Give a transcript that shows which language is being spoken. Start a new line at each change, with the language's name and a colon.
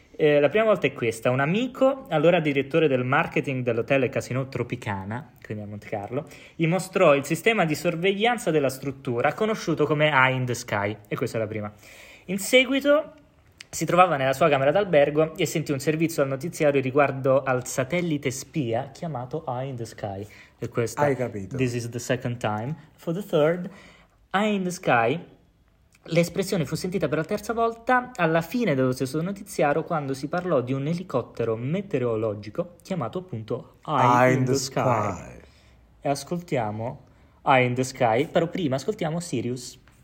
Italian: La prima volta è questa: un amico, allora direttore del marketing dell'hotel e casino Tropicana, quindi a Monte Carlo, gli mostrò il sistema di sorveglianza della struttura, conosciuto come Eye in the Sky, e questa è la prima. In seguito si trovava nella sua camera d'albergo e sentì un servizio al notiziario riguardo al satellite spia chiamato Eye in the Sky. E questo, hai capito.
English: This is the second time. For the third, Eye in the Sky.
Italian: L'espressione fu sentita per la terza volta alla fine dello stesso notiziario, quando si parlò di un elicottero meteorologico chiamato appunto Eye in the Sky. E ascoltiamo Eye in the Sky, però prima ascoltiamo Sirius.